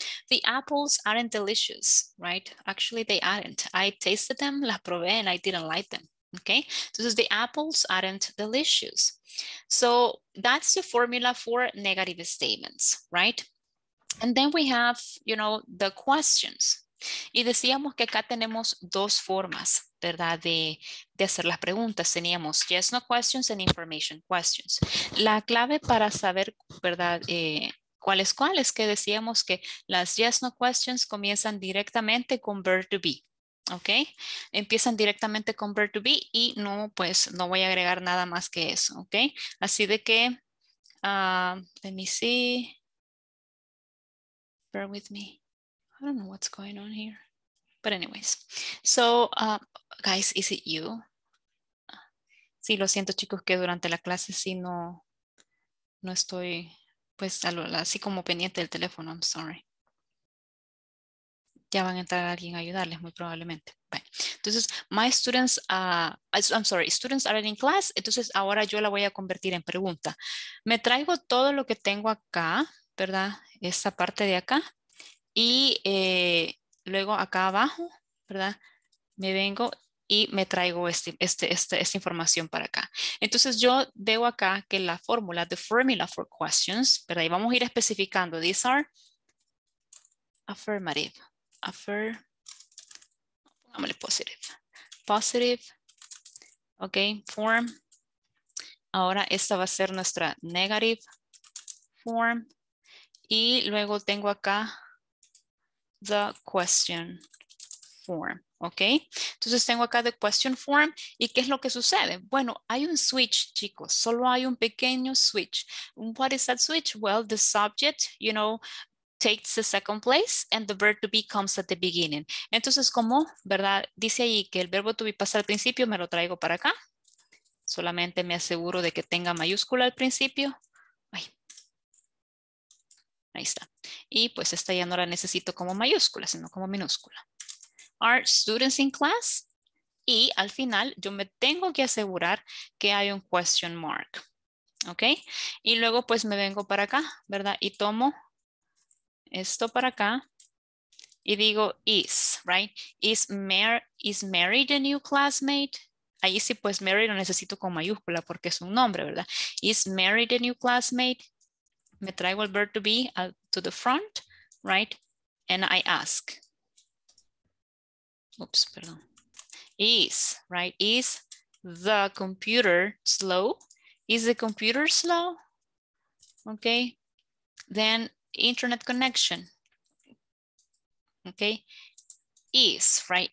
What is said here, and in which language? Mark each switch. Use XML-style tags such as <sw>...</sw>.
<en>The apples aren't delicious, right? Actually they aren't. I tasted them,</en> <es>las probé</es> <en>and I didn't like them. Okay, so the apples aren't delicious. So that's the formula for negative statements, right? And then we have, you know, the questions.</en> <es>Y decíamos que acá tenemos dos formas, ¿verdad? De hacer las preguntas. Teníamos</es> <en>yes, no questions and information questions.</en> <es>La clave para saber, ¿verdad? ¿Cuáles cuáles? Que decíamos que las yes, no questions comienzan directamente con verb to be. ¿Ok? Empiezan directamente con verb to be y no, pues, no voy a agregar nada más que eso.</es> <en>¿Ok?</en> <es>Así de que,</es> <en>let me see. Bear with me. I don't know what's going on here. But anyways. So, guys, is it you?</en> <es>Sí, lo siento, chicos, que durante la clase sí no estoy, pues, así como pendiente del teléfono.</es> <en>I'm sorry.</en> <es>Ya van a entrar alguien a ayudarles, muy probablemente. Bueno, entonces,</es> <en>my students, I'm sorry, students are in class.</en> <es>Entonces, ahora yo la voy a convertir en pregunta. Me traigo todo lo que tengo acá, ¿verdad? Esta parte de acá. Y luego acá abajo, ¿verdad? Me vengo y me traigo esta información para acá. Entonces yo veo acá que la fórmula,</es> <en>the formula for questions,</en> <es>¿verdad? Y vamos a ir especificando.</es> <en>These are affirmative. Pongámosle positive. Positive. Ok, form.</en> <es>Ahora esta va a ser nuestra negative form. Y luego tengo acá the question form, ok. Entonces tengo acá the question form y ¿qué es lo que sucede? Bueno, hay un switch, chicos, solo hay un pequeño switch.</es> <en>What is that switch? Well, the subject, you know, takes the second place and the verb to be comes at the beginning.</en> <es>Entonces, ¿cómo? ¿Verdad? Dice ahí que el verbo to be pasa al principio, me lo traigo para acá. Solamente me aseguro de que tenga mayúscula al principio. Ahí está. Y pues esta ya no la necesito como mayúscula, sino como minúscula.</es> <en>Are students in class?</en> <es>Y al final yo me tengo que asegurar que hay un question mark. ¿Ok? Y luego pues me vengo para acá, ¿verdad? Y tomo esto para acá y digo is, right?</es> <en>Is Mary the new classmate?</en> <es>Ahí sí pues Mary lo necesito con mayúscula porque es un nombre, ¿verdad? Is Mary the new classmate? Me traigo el</es> <en>verb to be to the front, right? And I ask. Oops,</en> <es>perdón.</es> <en>Is, right? Is the computer slow? Is the computer slow? Okay. Then internet connection. Okay. Is, right?</en>